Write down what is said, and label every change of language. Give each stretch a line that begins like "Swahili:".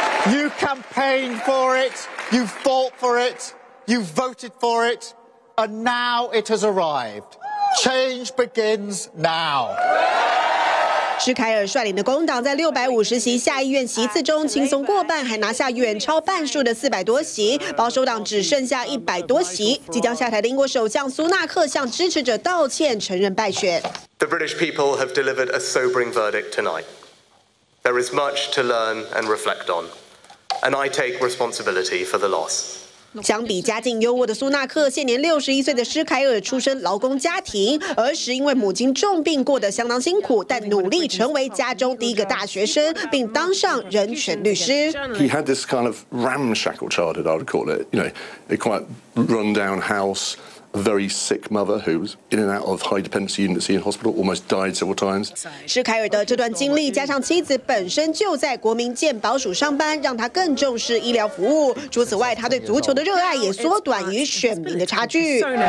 English: You campaigned for it, you fought for it, you voted for it, and now it has arrived. Change begins now.
Chinese: 施凯尔率领的工党在650席下议院席次中轻松过半，还拿下远超半数的400多席，保守党只剩下100多席。即将下台的英国首相苏纳克向支持者道歉，承认败选。
English: The British people have delivered a sobering verdict tonight. There is much to learn and reflect on, and I take responsibility for the loss.
Chinese: 相比家境优渥的苏纳克，现年61岁的施凯尔出身劳工家庭，儿时因为母亲重病过得相当辛苦，但努力成为家中第一个大学生，并当上人权律师。
English: He had this kind of ramshackle childhood, I would call it. You know, a quite run-down house, a very sick mother who was in and out of high dependency units in hospital, almost died several times.
Chinese: 施凯尔的这段经历，加上妻子本身就在国民健保署上班，让他更重视医疗服务。除此外，他对足球的热爱也缩短与选民的差距。